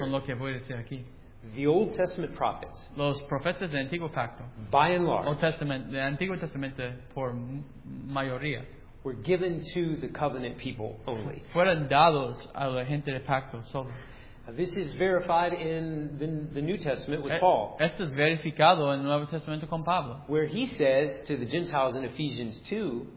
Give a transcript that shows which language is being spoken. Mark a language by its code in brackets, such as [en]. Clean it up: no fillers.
[es] Con lo que voy a decir aquí. [en] The Old Testament prophets. [es] Los profetas del Antiguo Pacto. [en] By and large. [es] El Antiguo Testamento por mayoría. [en] Were given to the covenant people only. [es] Fueron dados a la gente de pacto solo. [en] This is verified in the New Testament with Paul. [es] Esto es verificado en el Nuevo Testamento con Pablo. [en] Where he says to the Gentiles in Ephesians 2.